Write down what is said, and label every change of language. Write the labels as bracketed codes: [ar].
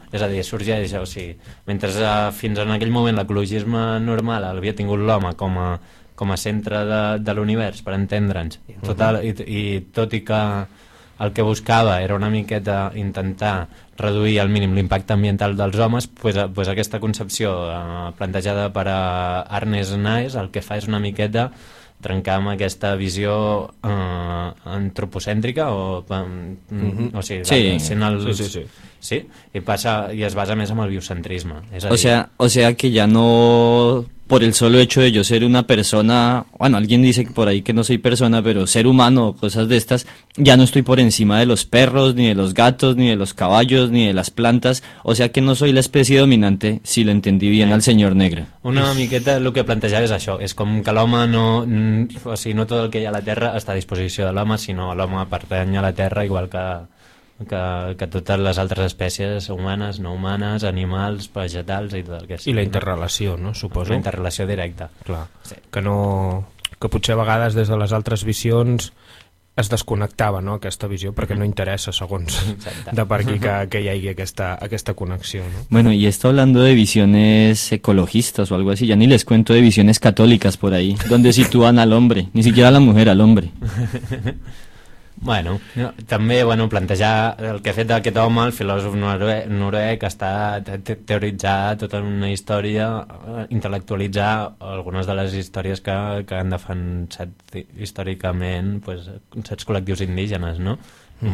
[ca] És a dir, sorgeix, o sigui, mentre fins en aquell moment l'ecologisme normal l'havia tingut l'home com a centre de l'univers, per entendre'ns, i tot i que el que buscava era una miqueta intentar reduir al mínim l'impacte ambiental dels homes, pues aquesta concepció plantejada per Arne Naes el que fa és una miqueta trencar amb aquesta visió antropocèntrica o, mm-hmm. o sigui, sí. Sent els, sí, sí, sí. Sí? I es basa més en el biocentrisme. És a [es] dir, o sea que ja no por el solo hecho de yo ser una persona, bueno, alguien dice por ahí que no soy persona, pero ser humano o cosas de estas, ya no estoy por encima de los perros, ni de los gatos, ni de los caballos, ni de las plantas, o sea que no soy la especie dominante, si lo entendí bien al señor Negra. [ca] Una miqueta lo que plantejaba es això, [es] es como que el hombre no, o sea, no todo el que hay a la tierra está a disposición del hombre, sino el hombre pertany a la tierra igual que [ca] totes les altres espècies humanes, no humanes, animals, vegetals i tot el que sigui. I la interrelació, no? Suposo. La interrelació directa. Clar. Sí. Que potser a vegades des de les altres visions es desconnectava, no?, aquesta visió, perquè no interessa, segons, exacte, de per aquí que hi hagi aquesta connexió, no? [es] Bueno, y esto hablando de visiones ecologistas o algo así, ya ni les cuento de visiones católicas por ahí, donde sitúan al hombre, ni siquiera a la mujer, al hombre. [ca] Bueno, també bueno, plantejar el que ha fet aquest home, el filòsof noruec, està teoritzar tota una història, intel·lectualitzar algunes de les històries que han defensat històricament pues, certs col·lectius indígenes, no? Mm-hmm.